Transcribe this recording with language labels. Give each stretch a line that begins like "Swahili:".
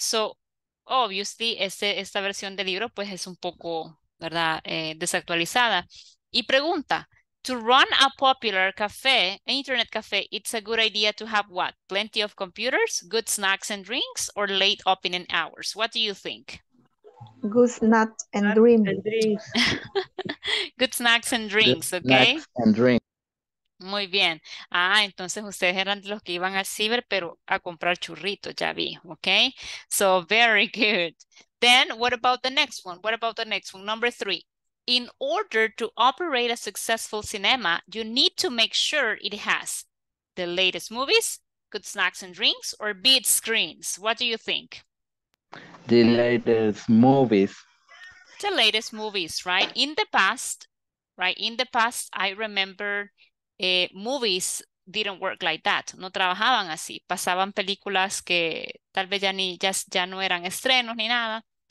English: So, obviously,
Spanish: esta versión del libro pues es un poco, ¿verdad? Desactualizada. Y pregunta,
English: to run a popular cafe, internet cafe, it's a good idea to have what? Plenty of computers, good snacks and drinks, or late opening hours? What do you think? Good snacks and drinks. Good snacks and drinks, okay? Snacks and drinks.
Spanish: Muy bien. Ah, entonces ustedes eran los que iban al ciber, pero a comprar churritos, ya vi, okay?
English: So, very good. Then, what about the next one? What about the next one? Number three. In order to operate a successful cinema, you need to make sure it has the latest movies, good snacks and drinks, or big screens. What do you think? The latest movies. The latest movies, right? In the past, right? In the past, I remember movies didn't work like that.
Spanish: No trabajaban así. Pasaban películas que tal vez ya no eran estrenos ni nada.